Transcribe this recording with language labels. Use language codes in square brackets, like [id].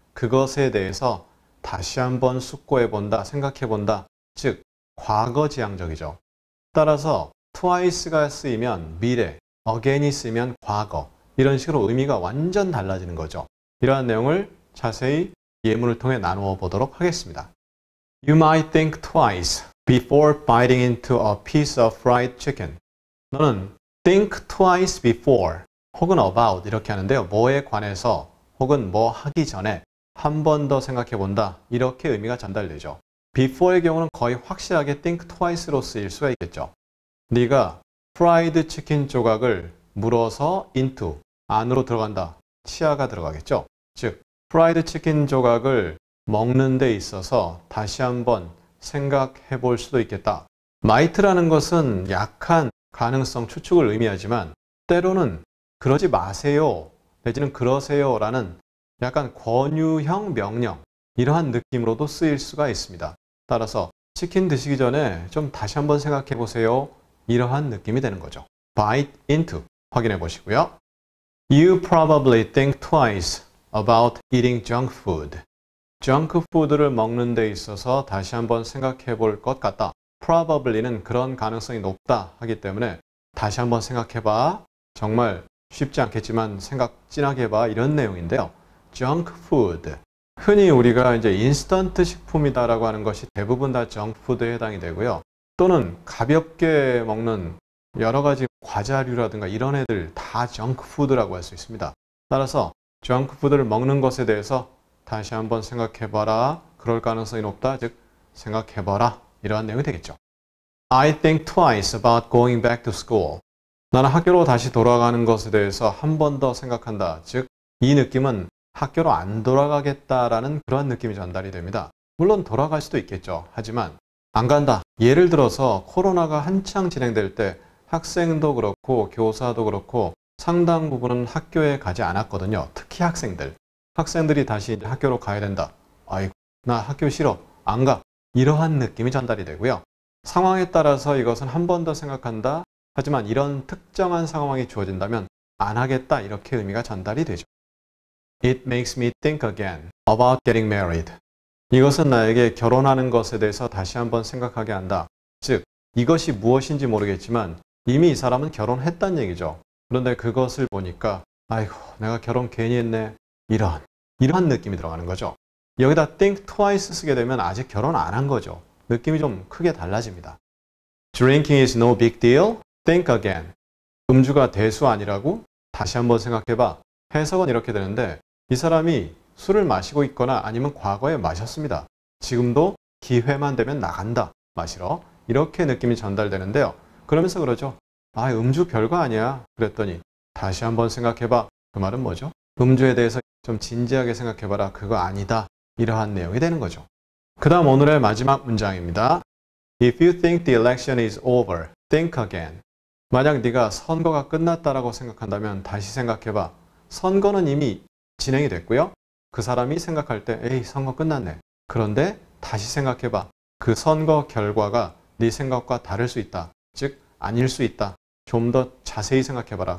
[ko] 그것에 대해서 다시 한번 숙고해 본다, 생각해 본다. 즉, 과거지향적이죠. 따라서 twice가 쓰이면 미래, again이 쓰이면 과거. 이런 식으로 의미가 완전 달라지는 거죠. 이러한 내용을 자세히 예문을 통해 나누어 보도록 하겠습니다. [en] You might think twice before biting into a piece of fried chicken. [ko] 너는 think twice before 혹은 about 이렇게 하는데요. 뭐에 관해서 혹은 뭐 하기 전에 한 번 더 생각해 본다. 이렇게 의미가 전달되죠. before의 경우는 거의 확실하게 think twice로 쓰일 수가 있겠죠. 네가 fried chicken 조각을 물어서 into 안으로 들어간다. 치아가 들어가겠죠. 즉, fried chicken 조각을 먹는 데 있어서 다시 한번 생각해 볼 수도 있겠다. might라는 것은 약한 가능성 추측을 의미하지만 때로는 그러지 마세요 내지는 그러세요 라는 약간 권유형 명령 이러한 느낌으로도 쓰일 수가 있습니다. 따라서 치킨 드시기 전에 좀 다시 한번 생각해 보세요 이러한 느낌이 되는 거죠. bite into 확인해 보시고요. [en] You probably think twice about eating junk food. [ko] 정크푸드를 먹는 데 있어서 다시 한번 생각해 볼 것 같다. Probably는 그런 가능성이 높다 하기 때문에 다시 한번 생각해 봐. 정말 쉽지 않겠지만 생각 진하게 봐. 이런 내용인데요. Junkfood. 흔히 우리가 이제 인스턴트 식품이다라고 하는 것이 대부분 다 정크푸드에 해당이 되고요. 또는 가볍게 먹는 여러 가지 과자류라든가 이런 애들 다 정크푸드라고 할 수 있습니다. 따라서 정크푸드를 먹는 것에 대해서 다시 한번 생각해봐라. 그럴 가능성이 높다. 즉, 생각해봐라. 이러한 내용이 되겠죠. [en] I think twice about going back to school. [ko] 나는 학교로 다시 돌아가는 것에 대해서 한 번 더 생각한다. 즉, 이 느낌은 학교로 안 돌아가겠다라는 그런 느낌이 전달이 됩니다. 물론 돌아갈 수도 있겠죠. 하지만 안 간다. 예를 들어서 코로나가 한창 진행될 때 학생도 그렇고 교사도 그렇고 상당 부분은 학교에 가지 않았거든요. 특히 학생들. 학생들이 다시 학교로 가야 된다. 아이고, 나 학교 싫어. 안 가. 이러한 느낌이 전달이 되고요. 상황에 따라서 이것은 한 번 더 생각한다. 하지만 이런 특정한 상황이 주어진다면 안 하겠다. 이렇게 의미가 전달이 되죠. [en] It makes me think again about getting married. [ko] 이것은 나에게 결혼하는 것에 대해서 다시 한번 생각하게 한다. 즉, 이것이 무엇인지 모르겠지만 이미 이 사람은 결혼했단 얘기죠. 그런데 그것을 보니까 아이고, 내가 결혼 괜히 했네. 이러한 느낌이 들어가는 거죠. 여기다 think twice 쓰게 되면 아직 결혼 안 한 거죠. 느낌이 좀 크게 달라집니다. [en] Drinking is no big deal. Think again. [ko] 음주가 대수 아니라고? 다시 한번 생각해봐. 해석은 이렇게 되는데 이 사람이 술을 마시고 있거나 아니면 과거에 마셨습니다. 지금도 기회만 되면 나간다. 마시러. 이렇게 느낌이 전달되는데요. 그러면서 그러죠. 아, 음주 별거 아니야. 그랬더니 다시 한번 생각해봐. 그 말은 뭐죠? 음주에 대해서 좀 진지하게 생각해봐라. 그거 아니다. 이러한 내용이 되는 거죠. 그 다음 오늘의 마지막 문장입니다. [en] If you think the election is over, think again. [ko] 만약 네가 선거가 끝났다라고 생각한다면 다시 생각해봐. 선거는 이미 진행이 됐고요. 그 사람이 생각할 때 에이 선거 끝났네. 그런데 다시 생각해봐. 그 선거 결과가 네 생각과 다를 수 있다. 즉 아닐 수 있다. 좀 더 자세히 생각해봐라.